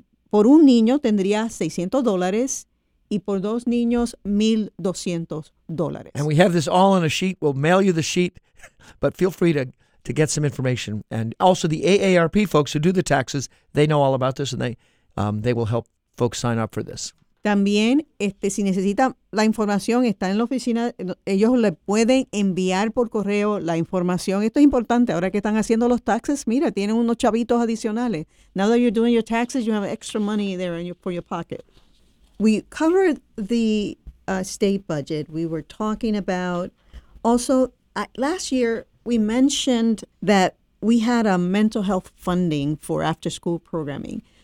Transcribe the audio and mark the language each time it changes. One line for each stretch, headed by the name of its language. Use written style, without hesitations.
Spanish: Por un niño tendría $600 y por dos niños $1,200.
English: And we have this all on a sheet. We'll mail you the sheet, but feel free to get some information. And also the AARP folks who do the taxes, they know all about this and they will help folks sign up for this.
Spanish: También, si necesita la información, está en la oficina. Ellos le pueden enviar por correo la información. Esto es importante. Ahora que están haciendo los taxes, mira, tienen unos chavitos adicionales.
English: Now that you're doing your taxes, you have extra money there in for your pocket. We covered the state budget. We were talking about, also, last year we mentioned that we had a mental health funding for after school programming.